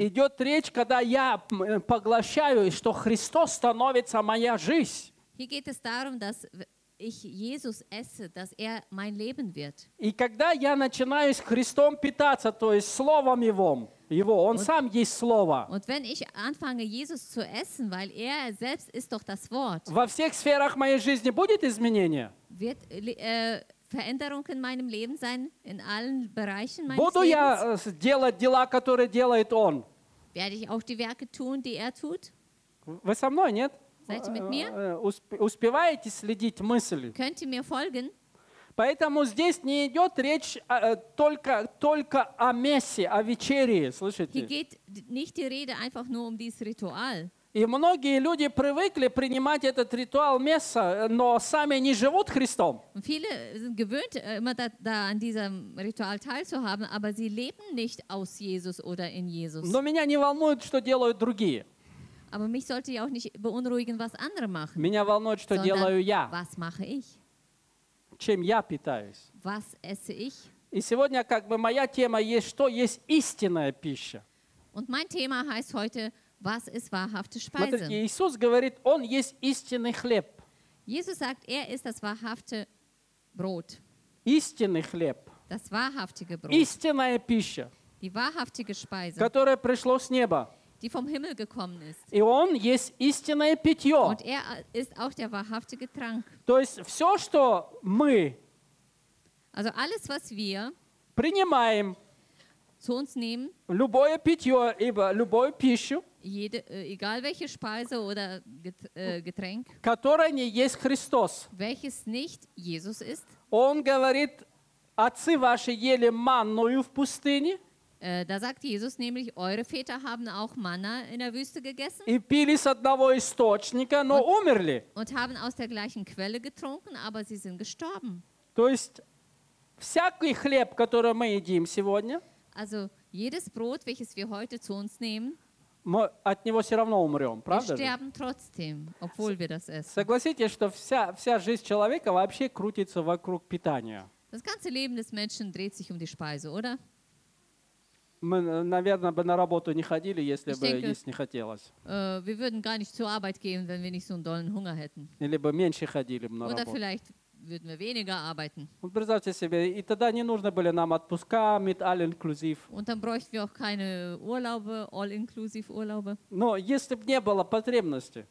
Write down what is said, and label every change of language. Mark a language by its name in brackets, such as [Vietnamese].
[Russian] Идет речь, когда я поглощаю, что Христос становится моя жизнь. [German] Hier geht es darum, dass ich Jesus esse, dass er mein Leben wird. [Russian] И когда я начинаю с Христом питаться, то есть словом его, его, он сам есть слово. [German] Und wenn ich anfange Jesus zu essen, weil er selbst ist doch das Wort. [Russian] Во всех сферах моей жизни будет изменение. [German] Wird Veränderung in meinem Leben sein in allen Bereichen meines [Russian] Буду [German] Lebens. [Russian] Буду я делать дела, которые делает он. [German] Werde ich auch die Werke tun, die er tut? [Russian] Вы со мной, нет? [German] Seid ihr mit mir? [Russian] Успеваете следить мысли? [German] Könnt ihr mir folgen? [Russian] Поэтому здесь не идет речь только о мессе, о вечерии, слышите? [German] Hier geht nicht die Rede einfach nur um dieses Ritual. [Russian] И многие люди привыкли принимать этот ритуал месса, но сами не живут Христом. [German] Viele sind gewöhnt, immer da an diesem Ritual teilzuhaben, aber sie leben nicht aus Jesus oder in Jesus. [Russian] Но меня не волнует, что делают другие. [German] Aber mich sollte ja auch nicht beunruhigen, was andere machen. [Russian] Меня волнует, что [German] sondern [Russian] делаю я. [German] Was mache ich? [Russian] Чем я питаюсь? [German] Was esse ich? [Russian] И сегодня как бы моя тема есть, что есть истинная пища. [German] Und mein Thema heißt heute, was ist wahrhafte Speise? [Russian] Смотрите, Иисус говорит, он есть истинный хлеб. [German] Jesus sagt, er ist das wahrhafte Brot. [Russian] Истинный хлеб. [German] Das wahrhaftige Brot. [Russian] Истинная пища. [German] Die wahrhaftige Speise. [Russian] Которая пришла с неба. [German] Die vom Himmel gekommen ist. [Russian] И он есть истинное питье. [German] Und er ist auch der wahrhaftige Trank. [Russian] То есть все, что мы [German] also alles, was wir [Russian] принимаем, [German] zu uns nehmen, [Russian] любое питье, любую пищу, [German] jede, egal welche Speise oder Getränk, [Russian] которое не есть Христос, [German] welches nicht Jesus ist, [Russian] он говорит, отцы ваши ели манную в пустыне, [German] da sagt Jesus nämlich, eure Väter haben auch Manna in der Wüste gegessen [Russian] и пили с одного источника, но умерли. [German] Und haben aus der gleichen Quelle getrunken, aber sie sind gestorben. [Russian] То есть, всякий хлеб, который мы едим сегодня, [German] also jedes Brot, welches wir heute zu uns nehmen, [Russian] мы от него все равно умрем, правда? [German] Wir sterben trotzdem, obwohl wir das essen. [Russian] Согласитесь, что вся жизнь человека вообще крутится вокруг питания. [German] Das ganze Leben des Menschen dreht sich um die Speise, oder? [Russian] Мы, наверное, бы на работу не ходили, если [German] ich [Russian] бы [German] denke, [Russian] есть не хотелось. [German] Wir würden gar nicht zur Arbeit gehen, wenn wir nicht so einen dollen Hunger hätten. [Russian] Или бы меньше ходили бы на [German] oder [Russian] работу. [German] Vielleicht würden wir weniger arbeiten. Und [Russian] представьте себе, и тогда не нужны были нам отпуска [German] mit all inclusive. Und dann bräuchten wir auch keine Urlaube, all inclusive Urlaube. [Russian] Но если бы не было потребности.